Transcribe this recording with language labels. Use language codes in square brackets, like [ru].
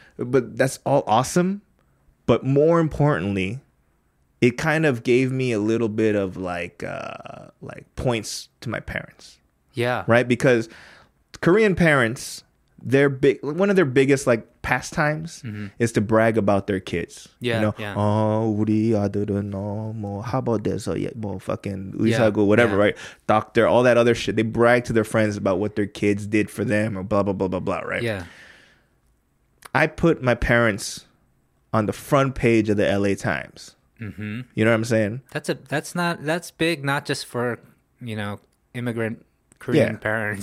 [en] But that's all awesome. But more importantly... It kind of gave me a little bit of like points to my parents. Yeah. Right? Because Korean parents, one of their biggest like pastimes is to brag about their kids. Yeah. You know, yeah. [ko] Oh, 우리 아들은 너무 하버드에서 뭐 [en] fucking [ko] 의사고 [en] whatever, right? Doctor, all that other shit. They brag to their friends about what their kids did for them or blah, blah, blah, blah, blah, right? Yeah. I put my parents on the front page of the LA Times. Mm-hmm. You know what I'm saying? That's big, not just for, you know, immigrant Korean parents.